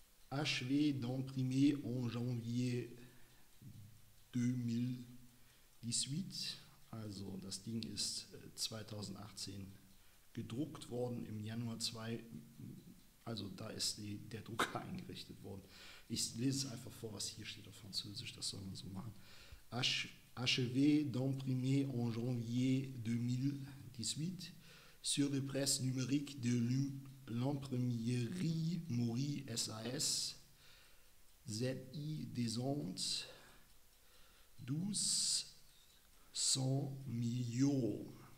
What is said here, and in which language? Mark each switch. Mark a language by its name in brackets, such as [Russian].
[French] Achevé d'imprimer en janvier 2018. [German] Also das Ding ist 2018 gedruckt worden im Januar 2. Also da ist der Drucker eingerichtet worden. Ich lese es einfach vor, was hier steht auf Französisch, das soll man so machen. [French] Achevé d'imprimer en janvier 2018. Sur les presses numériques de l'imprimerie Mori SAS ZI des Andes 1200 Millio.